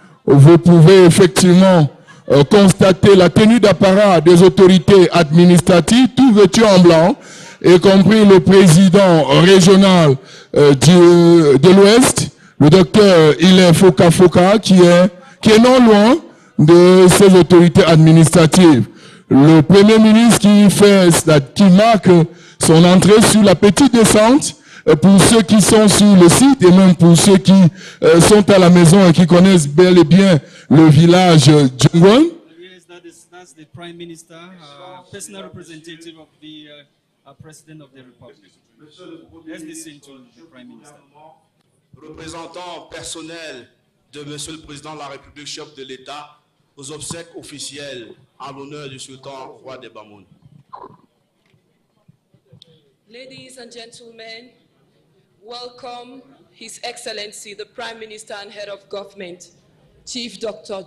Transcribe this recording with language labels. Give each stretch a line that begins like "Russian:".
French: Vous pouvez effectivement constater la tenue d'apparat des autorités administratives, tout vêtu en blanc, y compris le président régional de l'Ouest, le docteur Hilaire Foka-Foka, qui est non loin de ces autorités administratives. Le Premier ministre qui marque son entrée sur la petite descente, pour ceux qui sont sur le site et même pour ceux qui sont à la maison et qui connaissent bel et bien le village Djungwon.
English: Yes, that's the Prime Minister, personal representative of the President of the Republic. Let's listen to the Prime Minister.
French: Représentant personnel de Monsieur le Président de la République, chef de l'État, aux obsèques officielles en l'honneur du Sultan roi des Bamoun.
English: Ladies and gentlemen, welcome His Excellency, the Prime Minister and Head of Government, Chief Dr.